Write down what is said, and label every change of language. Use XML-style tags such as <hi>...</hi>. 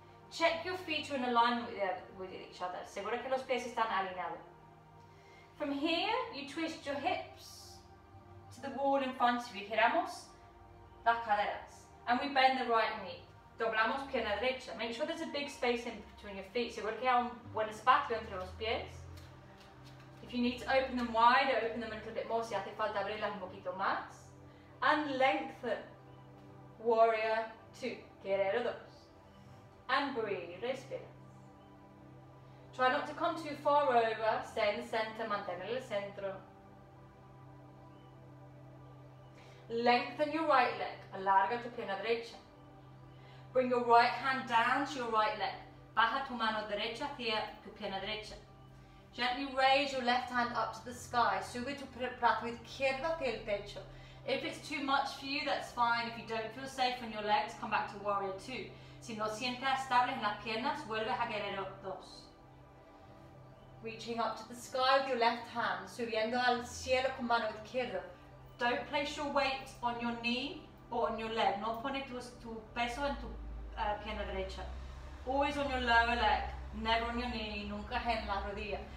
<en>Check your feet are in alignment with each other.</en> <es>Seguro que los pies están alineados.</es> <en>From here, you twist your hips to the wall in front of you.</en> <es>Giramos las caderas.</es> <en>And we bend the right knee.</en> <es>Doblamos pierna derecha.</es> <en>Make sure there's a big space in between your feet.</en> <es>Seguro que hay un buen espacio entre los pies.</es> <en>If you need to open them wide, open them a little bit more.</en> <es>Si hace falta abrirlas un poquito más.</es> <en>And lengthen. Warrior two.</en> <es>Guerrero dos.</es> <en>And breathe.</en> <es>Respira.</es> <en>Try not to come too far over. Stay in the center.</en> <es>Mantén el centro.</es> <en>Lengthen your right leg.</en> <es>Alarga tu pierna derecha.</es> <en>Bring your right hand down to your right leg.</en> <es>Baja tu mano derecha hacia tu pierna derecha.</es> <en>Gently raise your left hand up to the sky.</en> <es>Sube tu brazo izquierdo hacia el pecho.</es> <en>If it's too much for you, that's fine. If you don't feel safe on your legs, come back to warrior two.</en> <es>Si no sientes estable en las piernas, vuelves a guerrero dos.</es> <en>Reaching up to the sky with your left hand. Subiendo al cielo con mano izquierda. Don't place your weight on your knee. On your leg,</en> <es>no pone tu peso en tu pierna derecha.</es> <en>Always on your lower leg, never on your knee,</en> <es>nunca en la rodilla.</es>